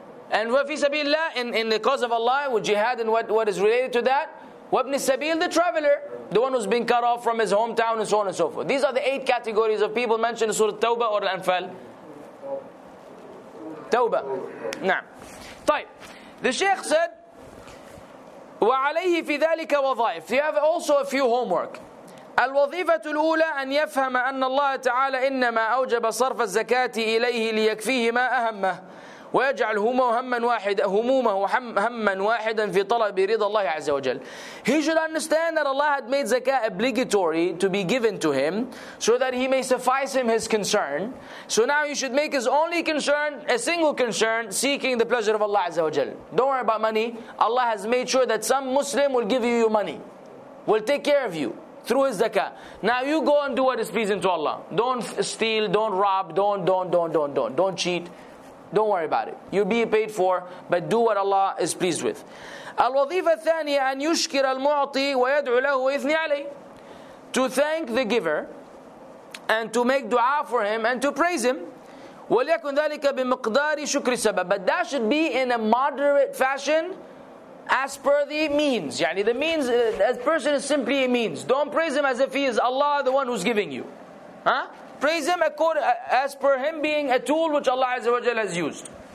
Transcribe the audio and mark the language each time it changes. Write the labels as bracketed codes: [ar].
[en] And [ar] وفي سبيل الله [en] in the cause of Allah with jihad and what is related to that. [ar] وَابْنِ السَّبِيلِ [en] the traveler, the one who's been cut off from his hometown and so on and so forth. These are the eight categories of people mentioned in Surah Tawbah or Al-Anfal. [ar] Tawbah. نعم. طيب. [en] The Shaykh said, [ar] وَعَلَيْهِ فِي ذَلِكَ وَظَائِفِ. [en] You have also a few homework. [ar] الوظيفة الأولى أن يفهم أن الله تعالى إنما أوجب صرف الزكاة إليه ليكفيه ما أهمه ويجعل همه هما واحدا في طلب رضا الله عز وجل. [en] He should understand that Allah had made zakah obligatory to be given to him so that he may suffice him his concern. So now he should make his only concern, a single concern, seeking the pleasure of Allah [ar] عز وجل. [en] Don't worry about money. Allah has made sure that some Muslim will give you your money, will take care of you through his zakah. Now you go and do what is pleasing to Allah. Don't steal, don't rob, don't cheat. Don't worry about it. You'll be paid for, but do what Allah is pleased with. [ar] الوظيفة الثانية أن يشكر المعطي ويدعو له ويثني عليه. [en] To thank the giver and to make dua for him and to praise him. [ar] وليكن ذلك بمقدار شكر السبب. [en] But that should be in a moderate fashion as per the means. يعني the means, a person is simply a means. Don't praise him as if he is Allah, the one who's giving you. Huh? Praise him according as per him being a tool which Allah [ar] Azza wa Jalla [en] has used.